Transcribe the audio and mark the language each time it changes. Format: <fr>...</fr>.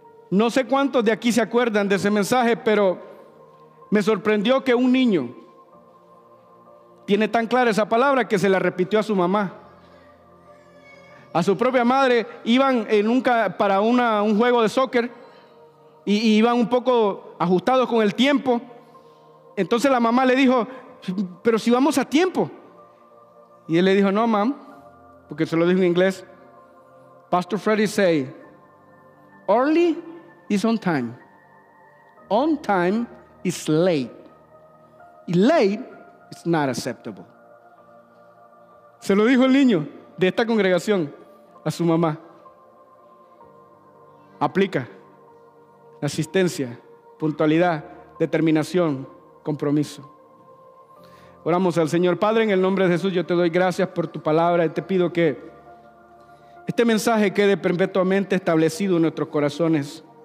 <es>No sé cuántos de aquí se acuerdan de ese mensaje, pero me sorprendió que un niño tiene tan clara esa palabra que se la repitió a su mamá. A su propia madre. Iban para un juego de soccer y iban un poco ajustados con el tiempo. Entonces la mamá le dijo, pero si vamos a tiempo. Y él le dijo, no, mam, porque se lo dijo en inglés.</es> <en>Pastor Freddy say, early is on time. On time is late. Y late is not acceptable.</en> <es>Se lo dijo el niño de esta congregación a su mamá. Aplica. Asistencia, puntualidad, determinación, compromiso. Oramos al Señor. Padre, en el nombre de Jesús, yo te doy gracias por tu palabra y te pido que este mensaje quede perpetuamente establecido en nuestros corazones.</es>